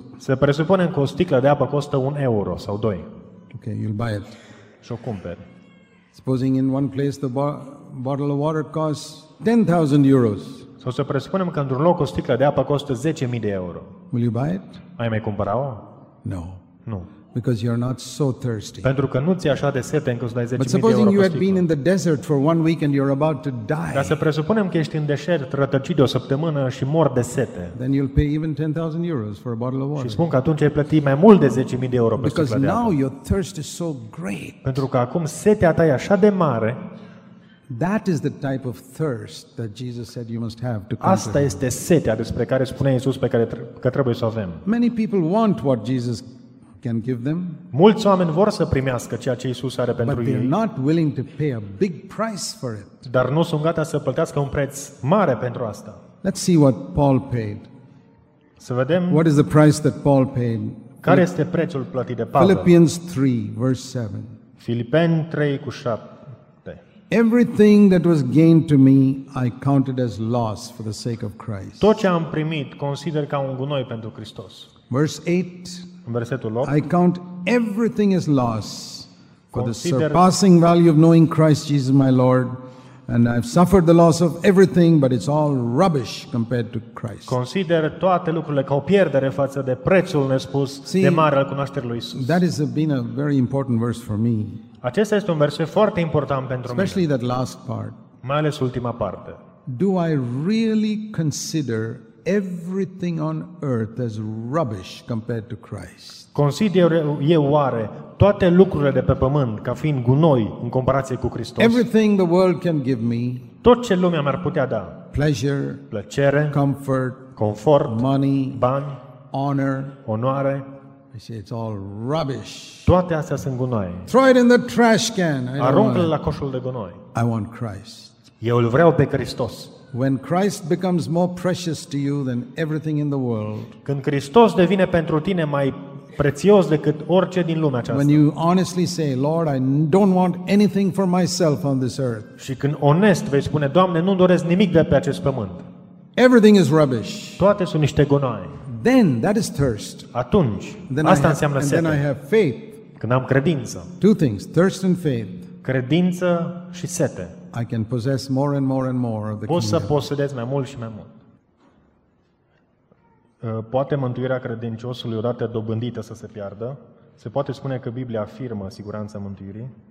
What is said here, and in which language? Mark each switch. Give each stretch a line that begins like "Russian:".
Romanian: Se presupune că o sticlă de apă costă 1 euro sau 2.
English: Okay, you'll buy it.
Romanian: Și o cumperi.
English: Supposing in one place the bottle of water costs 10,000 euros.
Romanian: Sau să presupunem că într-un loc o sticlă de apă costă 10.000 de euro.
English: Will you buy it?
Romanian: Ai mai cumpăra-o?
English: No.
Romanian: Nu.
English: because you're not so thirsty.
Romanian: Pentru că nu ți-e așa de sete încât să dai 10.000 de euro pe sticlă.
English: But suppose you had been in the desert for one week and you're about to die.
Romanian: Dar să presupunem că ești în deșert rătăcit de o săptămână și mor de sete.
English: Then you'll pay even 10,000 euros for a bottle of water.
Romanian: Și spun că atunci ai plătit mai mult de 10.000 de euro pe sticlă de apă.
English: Because now your thirst is so great.
Romanian: Pentru că acum setea ta e așa de mare.
English: That is the type of thirst that Jesus said you must have to come.
Romanian: Asta este setea despre care spune Iisus pe care că trebuie să o avem.
English: Many people want what Jesus can give them.
Romanian: Mulți oameni vor să primească ceea ce Iisus are pentru ei.
English: But they're not willing to pay a big price for it.
Romanian: Dar nu sunt gata să plătească un preț mare pentru asta.
English: Let's see what Paul paid.
Romanian: Să vedem.
English: What is the price that Paul paid?
Romanian: Care este prețul plătit de Pavel?
English: Philippians 3 verse 7.
Romanian: Filipeni 3 cu 7.
English: Everything that was gained to me I counted as loss for the sake of Christ.
Romanian: Tot ce am primit consider ca un gunoi pentru Hristos.
English: Verse 8.
Romanian: Versetul 8.
English: I count everything as loss for the surpassing value of knowing Christ Jesus my Lord, and I've suffered the loss of everything, but it's all rubbish compared to Christ.
Romanian: Consider toate lucrurile ca o pierdere față de prețul nespus de mare al cunoașterii lui Isus.
English: That has been a very important verse for me.
Romanian: Acesta este un verset foarte important pentru mine.
English: Especially that last part.
Romanian: Mai ales ultima parte.
English: Do I really consider everything on earth as rubbish compared to Christ?
Romanian: Consider eu oare toate lucrurile de pe pământ ca fiind gunoi în comparație cu Hristos?
English: Everything the world can give me.
Romanian: Tot ce lumea mi-ar putea da.
English: Pleasure,
Romanian: plăcere,
English: comfort,
Romanian: confort,
English: money,
Romanian: bani,
English: honor,
Romanian: onoare.
English: I say it's all rubbish.
Romanian: Toate astea sunt gunoi.
English: Throw it in the trash can.
Romanian: Aruncă-l la coșul de gunoi.
English: I want Christ.
Romanian: Eu îl vreau pe Hristos.
English: When Christ becomes more precious to you than everything in the world.
Romanian: Când Hristos devine pentru tine mai prețios decât orice din lumea aceasta.
English: When you honestly say, Lord, I don't want anything for myself on this earth.
Romanian: Și când onest vei spune, Doamne, nu doresc nimic de pe acest pământ.
English: Everything is rubbish.
Romanian: Toate sunt niște gunoi.
English: Then that is thirst.
Romanian: Atunci,
English: then
Romanian: asta
English: have,
Romanian: înseamnă sete.
English: And then I have faith.
Romanian: Când am credință.
English: Two things, thirst and faith.
Romanian: Credință și sete.
English: I can possess more and more and more of the kingdom.
Romanian: Pot să posedez mai mult și mai mult. Poate mântuirea credinciosului odată dobândită să se piardă? Se poate spune că Biblia afirmă siguranța mântuirii?